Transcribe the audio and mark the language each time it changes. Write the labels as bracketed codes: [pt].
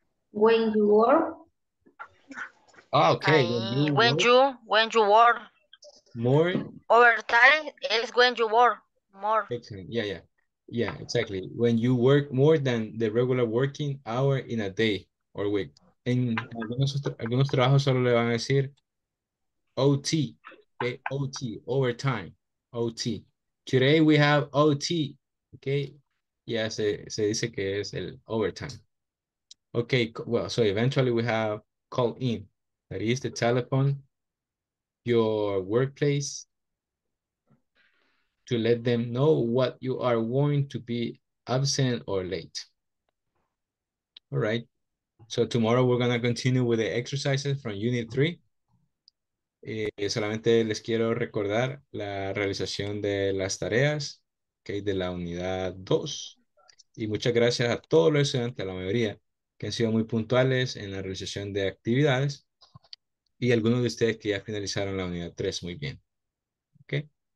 [en] When you work. Oh, okay. When you work. More. Overtime is when you work more. Excellent. Yeah, exactly. When you work more than the regular working hour in a day or week. [es] En algunos trabajos solo le van a decir OT. [en] Okay, OT, overtime, OT. Today we have OT, okay? Yeah, [es] se dice que es el [en] overtime. Okay, well, so eventually we have call in. That is the telephone, your workplace, to let them know what you are going to be absent or late. All right. So tomorrow we're going to continue with the exercises from Unit 3. [es] Solamente les quiero recordar la realización de las tareas, okay, de la unidad 2. Y muchas gracias a todos los estudiantes, a la mayoría, que han sido muy puntuales en la realización de actividades. Y algunos de ustedes que ya finalizaron la unidad 3, muy bien. Okay.